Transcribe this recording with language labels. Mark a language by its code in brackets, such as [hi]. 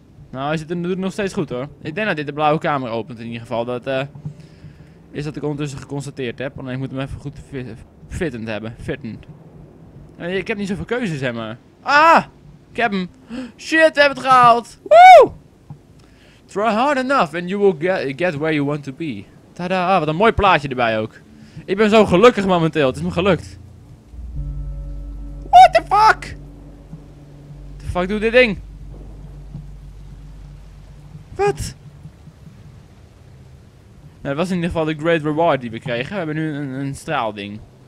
[nl] Nou, hij doet het nog steeds goed hoor. Ik denk dat dit de blauwe kamer opent in ieder geval. Dat is dat ik ondertussen geconstateerd heb. Alleen ik moet hem even goed fittend hebben. Nee, ik heb niet zoveel keuzes, hè, maar. Ah! Ik heb hem. Shit, we hebben het gehaald. Woo! [en] Try hard enough and you will get where you want to be. [nl] Tadaa, wat een mooi plaatje erbij ook. Ik ben zo gelukkig momenteel, het is me gelukt. [en] What the fuck? What the fuck [nl] doet dit ding? Wat? Nou, dat was in ieder geval de great reward die we kregen. We hebben nu een straalding.